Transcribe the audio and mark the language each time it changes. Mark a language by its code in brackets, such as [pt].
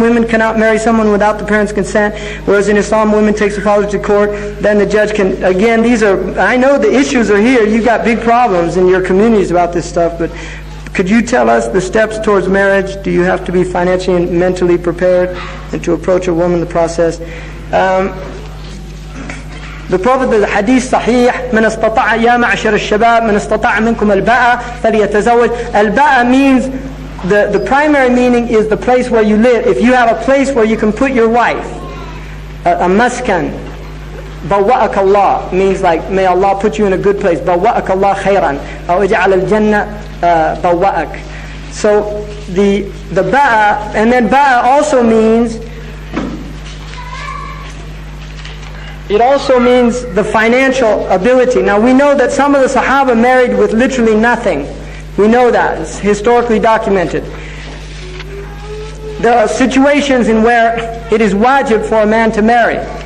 [en] Women cannot marry someone without the parents' consent. Whereas in Islam, women take the father to court. Then the judge can... Again, these are... I know the issues are here. You've got big problems in your communities about this stuff. But could you tell us the steps towards marriage? Do you have to be financially and mentally prepared and to approach a woman in the process? The Prophet, the Hadith Sahih, [ar] من استطاع يا معشر الشباب من استطاع منكم الباء فليتزوج. [en] الباء means the primary meaning is the place where you live. If you have a place where you can put your wife, a maskan, [ar] بوأك الله [en] means like may Allah put you in a good place. [ar] بوأك الله خيرا أو اجعل الجنة بوأك. [en] So the باء, and then باء also means. It also means the financial ability. Now we know that some of the Sahaba married with literally nothing. We know that. It's historically documented. There are situations in where it is wajib for a man to marry.